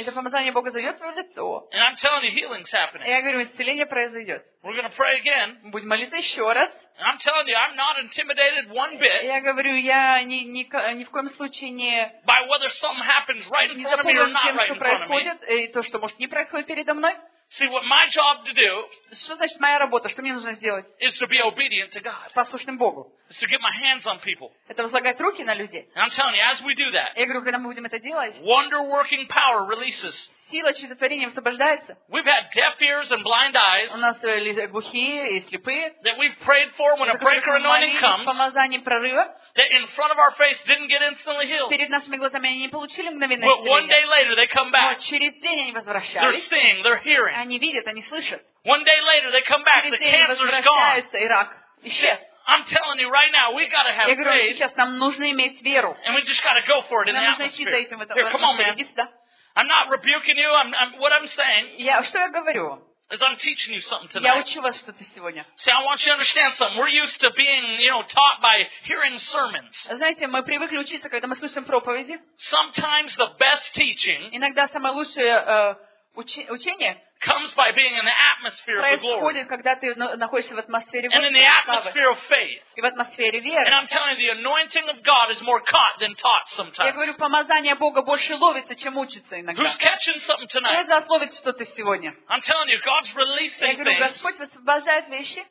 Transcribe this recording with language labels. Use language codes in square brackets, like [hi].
[ru] И это помазание Бога зайдет в твое лицо. [en] And I'm telling you, healing's happening. [ru] И я говорю, исцеление произойдет. [en] We're gonna pray again. [ru] Мы будем молиться еще раз. [en] And I'm telling you, I'm not intimidated one bit. [ru] Я говорю, я ни в коем случае не [en] by whether something happens right in front of me or not right in front of me. [ru] И то, что может не происходит передо мной. [en] See what my job to do. [ru] Что значит моя работа? Что мне нужно сделать? [en] Is to be obedient to God. [ru] Послушным Богу. [en] Is to get my hands on people. [ru] Это возлагать руки на людей. [en] And I'm telling you, as we do that. [ru] Я говорю, когда мы будем это делать. [en] Wonder-working power releases. [ru] Сила чудотворения освобождается. [en] We've had deaf ears and blind eyes. [ru] У нас глухие и слепые. [en] That we've prayed for when a breaker anointing comes. [ru] Помазание прорыва. [en] That in front of our face didn't get instantly healed. [ru] Перед нашими глазами они не получили мгновенное исцеление. [en] But one day later they come back. [ru] Но через день они возвращались. [en] They're seeing, they're hearing. [ru] Они видят, они слышат. [en] One day later they come back. The cancer's gone. [ru] И рак исчез. [en] I'm telling you right now, we've got to have faith. [ru] Я говорю, сейчас нам нужно иметь веру. [en] And we just got to go for it in the atmosphere. Here, come on, man. I'm not rebuking you. I'm what I'm saying. [ru] Yeah, что я говорю? [en] Is I'm teaching you something tonight. [ru] Я учу вас что-то сегодня. [en] See, I want you to understand something. We're used to being, you know, taught by hearing sermons. [ru] Знаете, мы привыкли учиться, когда мы слышим проповеди. [en] Sometimes the best teaching. [ru] Иногда самое лучшее учение. [en] comes by being in the atmosphere of the glory. [ru] Когда ты находишься в атмосфере [en] And in the atmosphere of faith. [ru] И в атмосфере веры. [en] And I'm telling you, the anointing of God is more caught than taught sometimes. [ru] Я говорю, помазание Бога больше ловится, чем учится иногда. [en] Who's catching something tonight? [ru] Кто засловит что-то сегодня? [en] I'm telling you, God's releasing things. [ru] Я говорю, Господь высвобождает вещи.